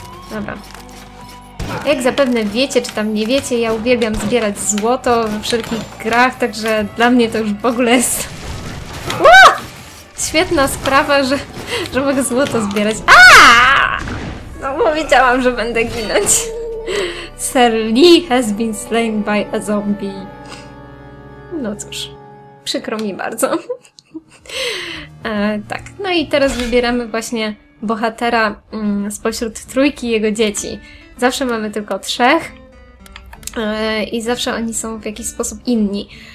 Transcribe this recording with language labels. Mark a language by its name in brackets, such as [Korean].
[Polish] Dobra. Jak zapewne wiecie, czy tam nie wiecie, ja uwielbiam zbierać złoto we wszelkich grach, także dla mnie to już w ogóle jest... Świetna sprawa, że mogę złoto zbierać. No powiedziałam, że będę ginąć. [English] Sir Lee has been slain by a zombie. [Polish] No cóż, przykro mi bardzo. Tak, no i teraz wybieramy właśnie bohatera spośród trójki jego dzieci. Zawsze mamy tylko trzech i zawsze oni są w jakiś sposób inni.